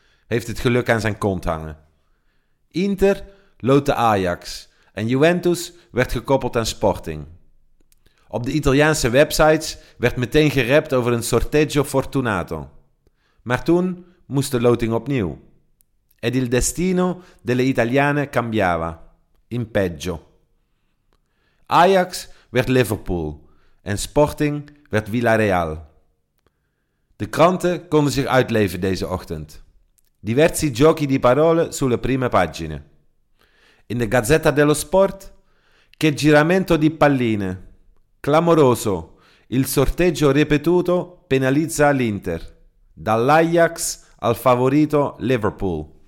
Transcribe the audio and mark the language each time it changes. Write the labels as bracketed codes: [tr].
[nl] heeft het geluk aan zijn kont hangen. Inter loodde Ajax en Juventus werd gekoppeld aan Sporting. Op de Italiaanse websites werd meteen gerept over een [it] sorteggio fortunato. [nl] Maar toen moest de loting opnieuw. [it] Ed il destino delle Italiane cambiava, in peggio. [nl] Ajax werd Liverpool en Sporting werd Villarreal. De kranten konden zich uitleven deze ochtend. [it] Diversi giochi di parole sulle prime pagine. [nl] In de [it] Gazzetta dello Sport, che giramento di palline. Clamoroso, il sorteggio ripetuto penalizza l'Inter, dall'Ajax al favorito Liverpool.